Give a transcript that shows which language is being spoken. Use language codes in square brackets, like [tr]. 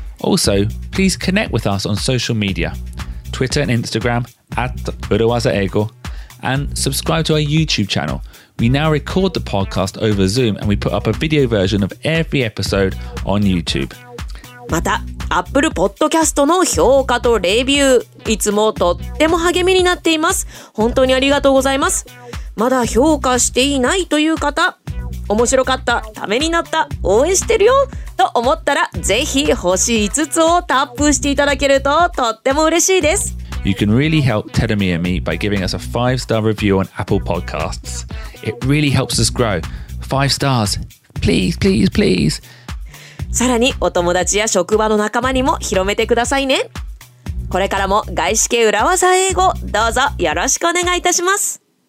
[en] Also, please connect with us on social media, Twitter and Instagram @urawazaego, and subscribe to our YouTube channel. We now record the podcast over Zoom and we put up a video version of every episode on YouTube. [ja] また、Apple Podcast の評価とレビュー。いつもとっても励みになっています。本当にありがとうございます。まだ評価していないという方、面白かった、ためになった、応援してるよと思ったら、ぜひ星5つをタップしていただけるととっても嬉しいです。 [en] You can really help Terumi and me by giving us a 5-star review on Apple Podcasts. It really helps us grow. 5 stars. Please, please, please. [ja] さらにお友達や職場の仲間にも広めてくださいね。これからも外資系裏技英語どうぞよろしくお願いいたします。